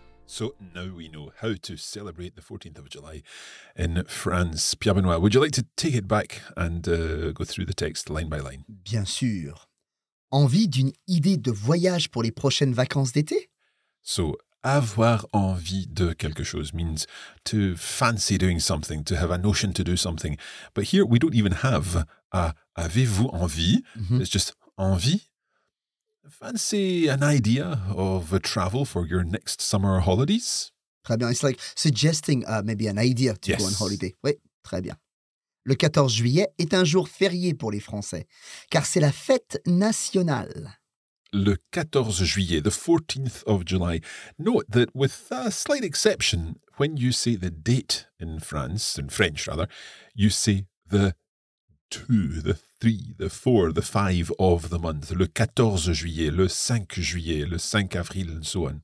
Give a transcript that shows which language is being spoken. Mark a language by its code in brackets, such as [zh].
[en] So now we know how to celebrate the 14th of July in France. Pierre Benoit, would you like to take it back and go through the text line by line? [fr] Bien sûr. Envie d'une idée de voyage pour les prochaines vacances d'été? [en] So, [fr] avoir envie de quelque chose [en] means to fancy doing something, to have a notion to do something. But here, we don't even have a [fr] avez-vous envie. [en] Mm-hmm. It's just envie. Fancy an idea of a travel for your next summer holidays? [fr] Très bien. [en] It's like suggesting maybe an idea to go on holiday. [fr] Oui, très bien. Le 14 juillet est un jour férié pour les Français, car c'est la fête nationale. Le 14 juillet, [en] the 14th of July. Note that with a slight exception, when you say the date in France, in French rather, you say the 2, the 3, the 4, the 5 of the month. [fr] Le 14 juillet, le 5 juillet, le 5 avril, [en] and so on.